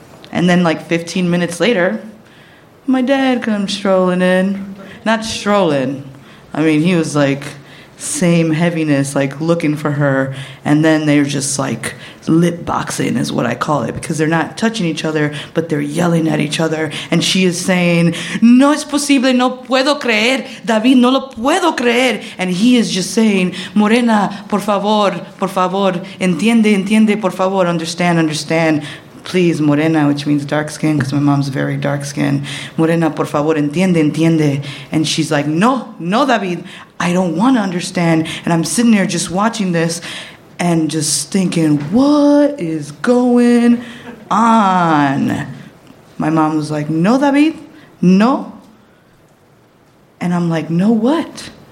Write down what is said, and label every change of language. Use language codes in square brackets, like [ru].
[en] And then, like, 15 minutes later, my dad comes strolling in. Not strolling. I mean, he was, like, same heaviness, like, looking for her. And then they're just, like, lip boxing is what I call it, because they're not touching each other, but they're yelling at each other. And she is saying, [es] no es posible, no puedo creer, David, no lo puedo creer. [en] And he is just saying, Morena, [es] por favor, entiende, entiende, por favor, [en] understand, understand. Please, Morena, which means dark skin, because my mom's very dark skin. [es] Morena, por favor, entiende, entiende. [en] And she's like, no, no, David, I don't want to understand. And I'm sitting there just watching this and just thinking, what is going on? My mom was like, no, David, no. And I'm like, no what?